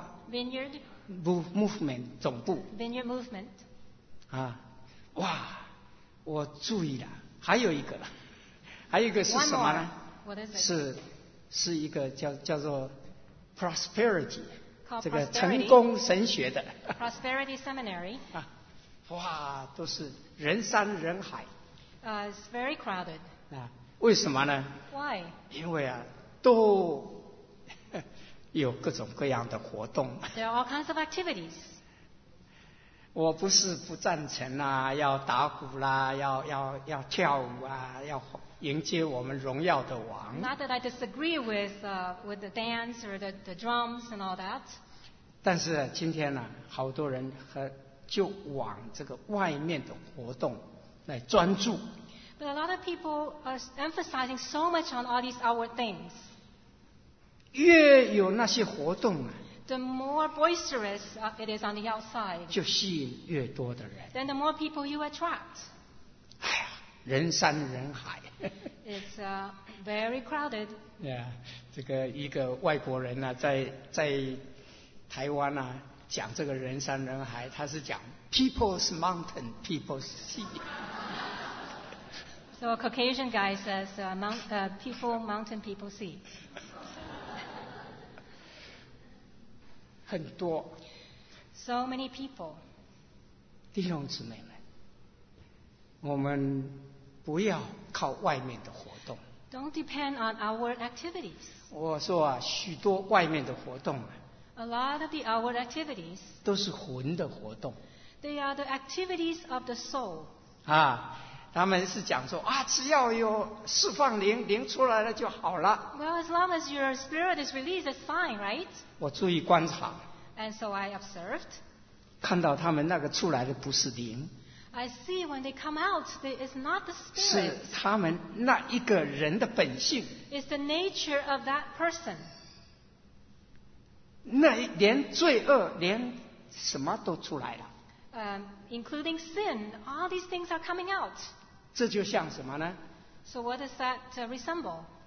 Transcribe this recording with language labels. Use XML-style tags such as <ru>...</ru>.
<zh>Vineyard Movement 总部</zh> <en>Vineyard Movement.</en> <zh>啊，哇！我注意了，还有一个是什么呢？</zh> <en>What is it?</en> <zh>是一个叫做 Prosperity,</zh> <en>Prosperity</en> <zh>这个成功神学的</zh> <en>Prosperity Seminary、</en> <zh>啊、哇，都是人山人海、</zh> <en>It's very crowded、</en> <zh>啊、为什么呢？</zh> <en>Why?</en> <zh>因为啊，都有各种各样的活动。</zh> <en>There are all kinds of activities.</en> <zh>我不是不赞成啊，要打鼓啦，要跳舞啊，要迎接我们荣耀的王。</zh> <en>Not that I disagree with the dance or the drums and all that.</en> <zh>但是今天呢、啊，好多人就往这个外面的活动来专注。</zh> <en>But a lot of people are emphasizing so much on all these outward things.</en> <zh>越有那些活动啊。</zh> <en>The more boisterous it is on the outside,</en> <zh>就吸引越多的人。</zh> <en>Then the more people you attract.</en> <zh>哎呀，人山人海。</zh> <en>It's very crowded.</en> <zh>Yeah, 这个一个外国人呢、啊，在台湾呢、啊、讲这个人山人海，他是讲</zh> <en>People's Mountain, People's Sea. So a Caucasian guy says, "People, Mountain, People, Sea."</en> <zh>很多</zh> <en>so many people</en> <zh>弟兄姊妹们，我们不要靠外面的活动。</zh> <en>Don't depend on outward activities.</en> <zh>我说啊，许多外面的活动啊，</zh> <en>A lot of the outward activities</en> <zh>都是魂的活动。</zh> <en>They are the activities of the soul.</en> <zh>啊，他们是讲说啊，只要有释放灵，灵出来了就好了。</zh> <en>Well, as long as your spirit is released, it's fine, right?</en> <zh>我注意观察。</zh> <en>And so I observed.</en> <zh>看到他们那个出来的不是灵。</zh> <en>I see when they come out, it's not the spirit.</en> <zh>是他们那一个人的本性。</zh> <en>It's the nature of that person.</en> <zh>那连罪恶，连什么都出来了。</zh> <en>Including sin, all these things are coming out.</en> <zh>这就像什么呢？</zh> <en>So what does that resemble?</en>